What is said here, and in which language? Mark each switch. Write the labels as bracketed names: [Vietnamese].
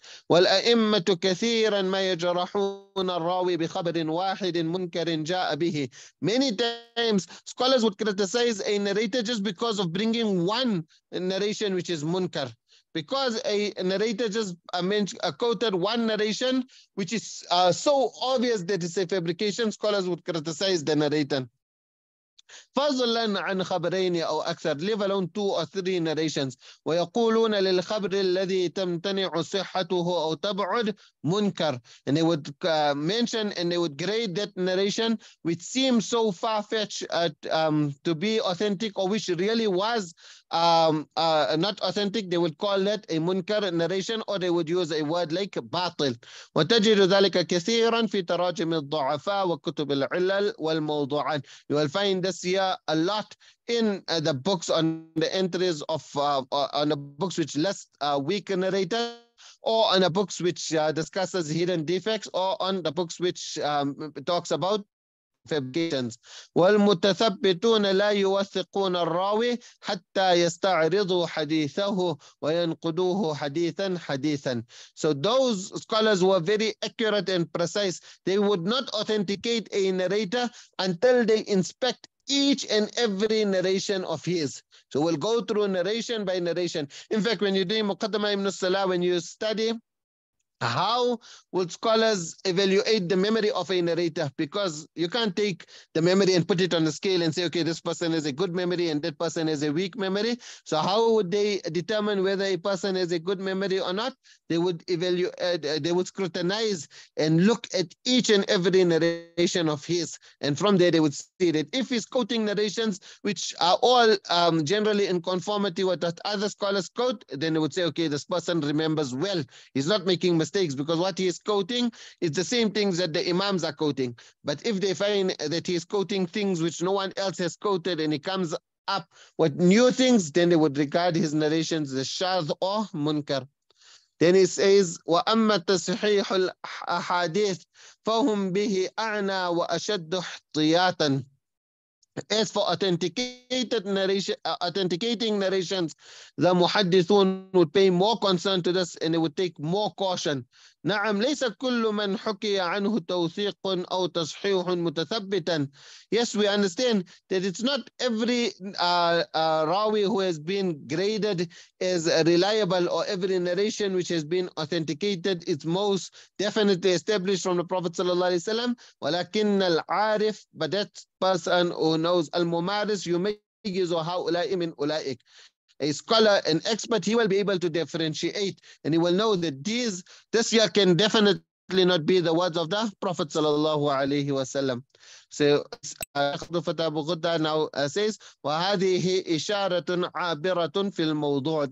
[Arabic] والأئمة كثيرا ما يجرحون الراوي بخبر واحد منكر جاء به. [English] Many times scholars would criticize a narrator just because of bringing one narration which is munkar. Because a narrator just quoted one narration which is so obvious that it's a fabrication, scholars would criticize the narrator. [Arabic] فضلا عن خبرين أو أكثر, [English] leave alone two or three narrations, [Arabic] ويقولون للخبر الذي تمتنع صحته أو تبعد منكر. [English] And they would mention and they would grade that narration which seems so far-fetched to be authentic or which really was not authentic, they would call that a munkar narration, or they would use a word like batil. [Arabic] وتجد ذلك كثيرا في تراجم الضعفاء وكتب العلل والموضوعات. [English] You will find this here a lot in the books on the entries of on the books which list weak narrator, or on the books which discusses hidden defects, or on the books which talks about fabrications. [Arabic] والمتثبتون لا يوثقون الراوي حتى يستعرضوا حديثه وينقدوه حديثا حديثا. [English] So those scholars were very accurate and precise. They would not authenticate a narrator until they inspect each and every narration of his. So we'll go through narration by narration. In fact, when you're doing Muqaddama ibn al-Salah, when you study, how would scholars evaluate the memory of a narrator? Because you can't take the memory and put it on a scale and say, okay, this person has a good memory and that person has a weak memory. So how would they determine whether a person has a good memory or not? They would evaluate, they would scrutinize and look at each and every narration of his. And from there, they would see that if he's quoting narrations, which are all generally in conformity with what other scholars quote, then they would say, okay, this person remembers well. He's not making mistakes, because what he is quoting is the same things that the imams are quoting. But if they find that he is quoting things which no one else has quoted and he comes up with new things, then they would regard his narrations as shadh or munkar. Then he says, [Arabic] وَأَمَّا تَصْحِيحُ الْأَحَادِيثِ فَهُمْ بِهِ أَعْنَى وَأَشَدُّ احْتِيَاطًا. [English] As for authenticating narrations, the muhaddithun would pay more concern to this and it would take more caution. [Arabic] نعم ليس كل من حكي عنه توثيق أو تصحيح متثبتا. [English] Yes, we understand that it's not every rawi who has been graded as reliable, or every narration which has been authenticated is most definitely established from the Prophet sallallahu alaihi wasallam. [Arabic] ولكن العارف, [English] but that person who knows, [Arabic] الممارس يميز هؤلاء من أولئك. [English] A scholar, an expert, he will be able to differentiate and he will know that this year can definitely not be the words of the Prophet sallallahu alayhi wa sallam. So Shaykh Abu Ghuddah now says, [Arabic] وَهَذِهِ إِشَارَةٌ عَابِرَةٌ فِي الْمَوْضُوعِ.